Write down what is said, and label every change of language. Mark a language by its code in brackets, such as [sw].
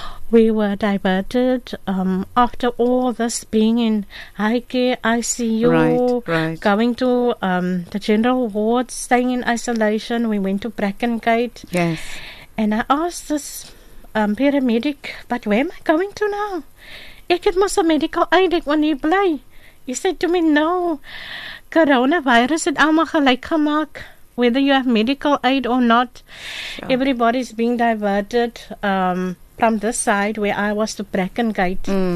[en] We were diverted after all this being in high care, ICU, right. going to the general wards, staying in isolation. We went to Brackengate. Yes. And I asked this paramedic, but where am I going to now? [af] Ek het mos 'n medical aid ek wil nie bly. [en] He said to me, no, coronavirus [af] het almal gelyk gemaak. [en] Whether you have medical aid or not, sure. everybody's being diverted from this side where I was to Brackengate.